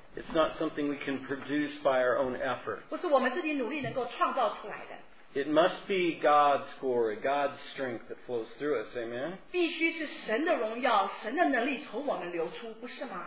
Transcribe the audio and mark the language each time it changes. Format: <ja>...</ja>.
<en>It's not something we can produce by our own effort.</en> <zh>不是我们自己努力能够创造出来的。</zh> <en>It must be God's glory, God's strength that flows through us, amen?</en> <zh>必须是神的荣耀,神的能力从我们流出,不是吗?</zh>